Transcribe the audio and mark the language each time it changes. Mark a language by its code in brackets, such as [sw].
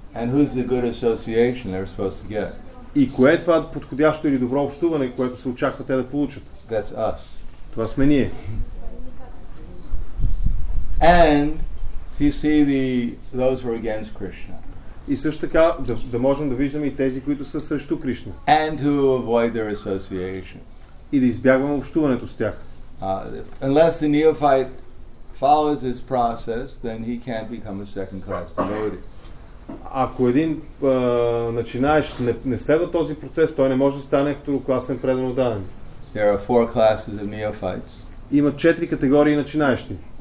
[en] And who's the good association they're supposed to get? [bg] И кое е това подходящо или добро общуване, което се очаква те да получат? [en] That's us. [bg] Това сме ние. [en] And to see the those who are against Krishna. [bg] И също така да можем да виждаме и тези, които са срещу Кришна. [en] And to avoid their association. [bg] И да избягваме общуването с тях. [en] Unless the neophyte follows this process, then he can't become a second class devotee. [bg] Ако един начинаещ не следва този процес, той не може да стане второкласен предан отдаден. [en] There are four classes of neophytes. [bg] Има четири категории начинаещи.